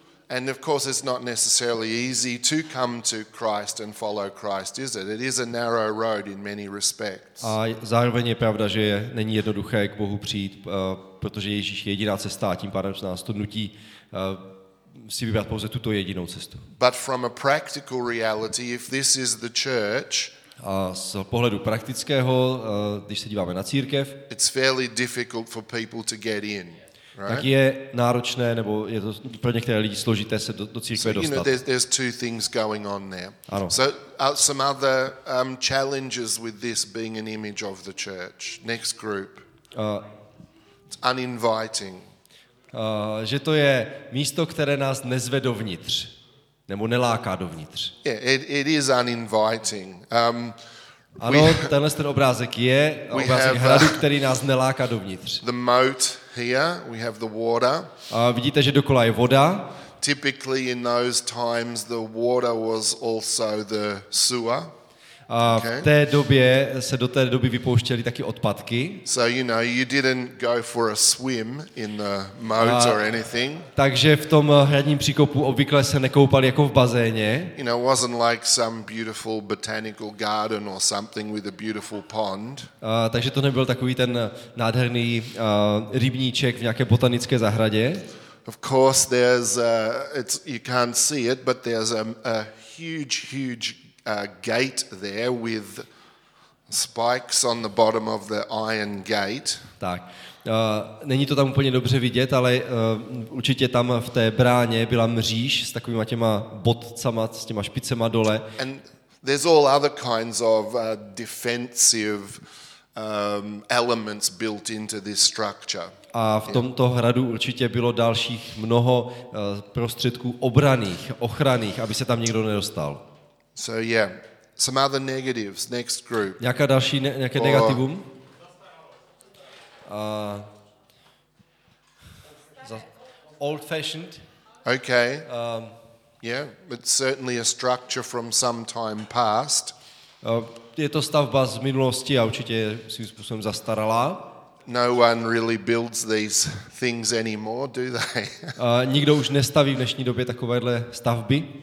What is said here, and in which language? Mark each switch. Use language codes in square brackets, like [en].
[en] And of course it's not necessarily easy to come to Christ and follow Christ, is it? It is a narrow road in many respects. [cs] A zároveň je pravda, že není jednoduché k Bohu přijít, protože Ježíš je jediná cesta, tím pádem se nás to nutí si vybrat pouze tuto jedinou cestu. [en] But from a practical reality, if this is the church, [cs] a z pohledu praktického, když se díváme na církev, [en] it's fairly difficult for people to get in. Right? [cs] Tak je náročné, nebo je to pro některé lidi složité se do církve dostat. [en] So, you know, there's two things going on there. [cs] Ano. [en] So some other challenges with this being an image of the church. Next group. It's uninviting. [cs] Že to je místo, které nás nezve dovnitř, nebo neláká dovnitř. [en] Yeah, it is uninviting. [cs] Ano, tenhle ten obrázek je obrázek hradu, který nás neláká dovnitř. [en] The moat here, we have the water. [cs] A vidíte, že dokola je voda. [en] Typically in those times the water was also the sewer. [cs] A v té době se do té doby vypouštěly taky odpadky. [en] So you know, you didn't go for a swim in the moat or anything. [cs] Takže v tom hradním příkopu obvykle se nekoupali jako v bazéně. [en] You know, it wasn't like some beautiful botanical garden or something with a beautiful pond. [cs] Takže to nebyl takový ten nádherný rybníček v nějaké botanické zahradě. [en] Of course there's you can't see it, but there's a huge gate there with spikes on the bottom of the iron gate. [cs] Tak. Není to tam úplně dobře vidět, ale určitě tam v té bráně byla mříž s takovýma těma bodcama, s těma špicema dole. [en] And there's all other kinds of defensive elements built into this structure. [cs] A v tomto hradu určitě bylo dalších mnoho prostředků obraných, ochranných, aby se tam nikdo nedostal. [en] So yeah, some other negatives. Next group. [cs] Nějaká další nějaké negativum? [en] Old fashioned. Okay. Yeah, it's certainly a structure from some time past. [cs] Je to stavba z minulosti a určitě svým způsobem zastaralá. [en] No one really builds these things anymore, do they? [cs] Nikdo už nestaví v dnešní době takovéhle stavby.